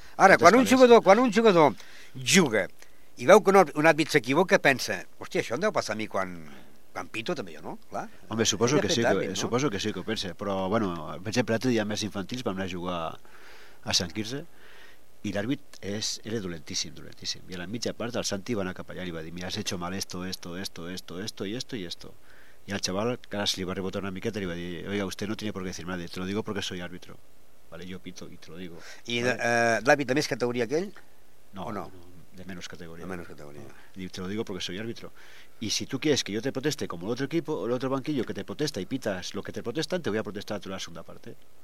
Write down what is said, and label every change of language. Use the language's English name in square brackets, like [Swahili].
[Catalan] Ara, quan un jugador juga i veu que un àrbit s'equivoca, pensa, hòstia, això em deu passar a mi quan pito, també jo, no? Clar. Home, suposo que sí, suposo que sí que ho pensa, però, bueno, per exemple, l'altre dia més infantils vam anar a jugar a Sant Quirze, i l'àrbit era dolentíssim, dolentíssim. I a la mitja part el Santi va anar cap allà i va dir, mira, has hecho mal esto, esto, esto, esto, esto, y esto, y esto. I al xaval, que ara se li va rebotar una miqueta, li va dir, oiga, usted no tiene por qué decir nada, te lo digo porque soy árbitro. [Spanish] Vale, yo pito y te lo digo. [Catalan] I l'àrbit de més categoria que ell? No, o no? [Spanish] De menos categoria. De menos categoria. No. Diu, te lo digo porque soy árbitro. Y si tú quieres que yo te proteste como el otro equipo, el otro banquillo que te protesta y pitas lo que te protestan, te voy a protestar a tu la segunda parte.